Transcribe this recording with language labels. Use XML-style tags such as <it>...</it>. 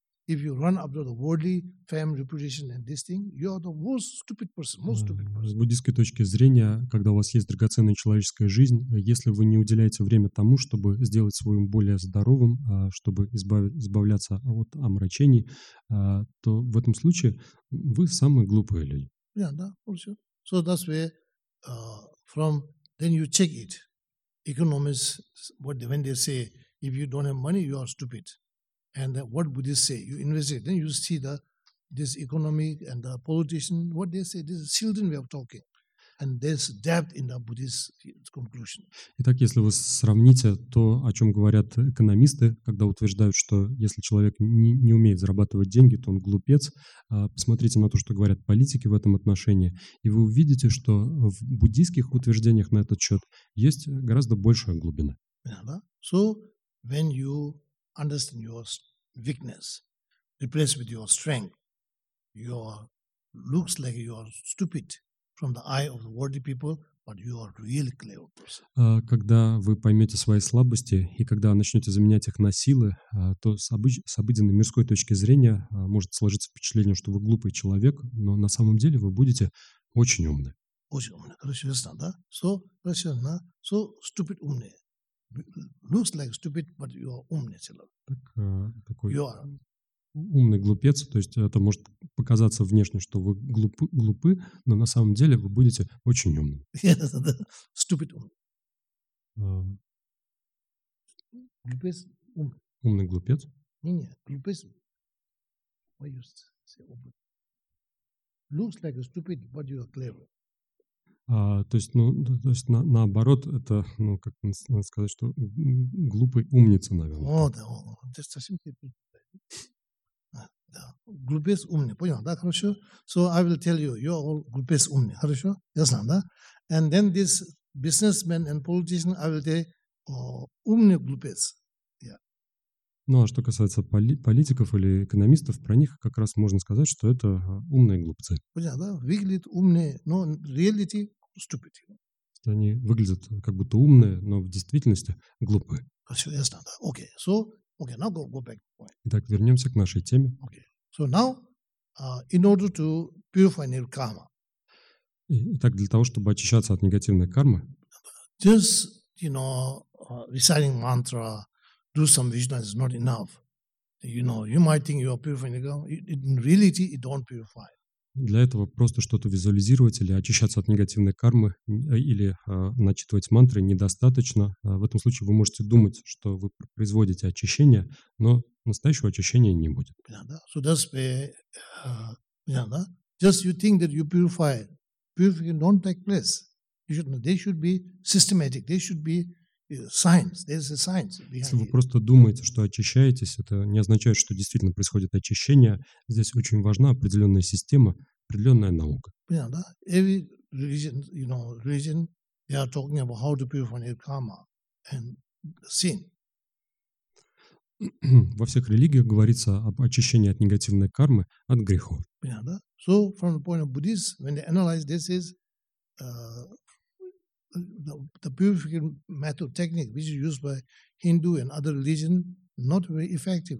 <en>If you run after the worldly fame, reputation, and this thing, you are the most stupid person. Most stupid person.</en> <ru>С буддийской точки зрения, когда у вас есть драгоценная человеческая жизнь, если вы не уделяете время тому, чтобы сделать свой ум более здоровым, чтобы избавляться от омрачений, то в этом случае вы самые глупые люди.</ru> <en>Yeah,</en> <ru>да, все.</ru> <en>So that's where. From then you check it. Economists, when they say if you don't have money, you are stupid. And that what Buddhists say, you invest it. Then you see the this economy and the politician. What they say, this is children we are talking. And there's depth in the Buddhist conclusion.</en> <ru>Итак, если вы сравните то, о чем говорят экономисты, когда утверждают, что если человек не умеет зарабатывать деньги, то он глупец, посмотрите на то, что говорят политики в этом отношении, и вы увидите, что в буддийских утверждениях на этот счет есть гораздо большая глубина.</ru> <en>So, when you understand your weakness, replaced with your strength. Your looks like you are stupid from the eye of the worldly people, but you are really clever person.</en> <ru>Когда вы поймете свои слабости и когда начнете заменять их на силы, то с обыденной мирской точки зрения может сложиться впечатление, что вы глупый человек, но на самом деле вы будете очень умны. Очень умны, короче, ясно, да?</ru> <en>So,</en> <ru>короче, ясно,</ru> <en>so stupid</en> <ru>умны.</ru> <en>Looks like stupid, but you are</en> <ru>умный человек. Так,</ru> <en>you are</en> <ru>умный глупец, то есть это может показаться внешне, что вы глупы, но на самом деле вы будете очень умны.</ru> <en>Stupid</en> <ru>умный. Глупец умный. Умный глупец? Не-не, глупец умный.</ru> <en>Why you say open? Looks like a stupid, but you are clever.</en> <ru>То есть наоборот, это, ну, как надо сказать, что глупый умница, наверное. О, да, это совсем типично. Глупец умный, понял, да, хорошо?</ru> <en>So I will tell you, you are all</en> <ru>глупец умный, хорошо? Ясно, да?</ru> <en>And then this businessman and politician, I will tell you,</en> <ru>умный глупец.</ru> <en>Yeah.</en> <ru>Ну, а что касается политиков или экономистов, про них как раз можно сказать, что это умные глупцы. Понял, да? Выглядят умные, но</ru> <en>reality stupid.</en> <ru>Они выглядят как будто умные, но в действительности глупы. Хорошо, ясно, да. Окей,</ru> <en>okay. So... Okay, now go back.</en> <ru>Итак, вернемся к нашей теме.</ru> <en>Okay. So now, in order to purify negative karma.</en> <ru>Итак, для того, чтобы очищаться от негативной кармы.</ru> <en>Just, you know, reciting mantra, do some visualization is not enough. You know, you might think you are purifying negative karma. In reality, it don't purify.</en> <ru>Для этого просто что-то визуализировать или очищаться от негативной кармы или начитывать мантры недостаточно. В этом случае вы можете думать, что вы производите очищение, но настоящего очищения не будет.</ru> <en>So that's where, just you think that you purify, purification don't take place. You should, they should be systematic, they should be science. There's a science behind it.</en> <ru>Если вы просто думаете, что очищаетесь, это не означает, что действительно происходит очищение. Здесь очень важна определенная система, определенная наука. Понятно, да?</ru> <en>Every religion, you know, religion, they are talking about how to purify their karma and sin.</en> <ru>Во всех религиях говорится об очищении от негативной кармы, от грехов. Понятно, да?</ru> <en>So, from the point of Buddhists, when they analyze this is... The purification method technique, which is used by Hindu and other religion, not very effective.</en>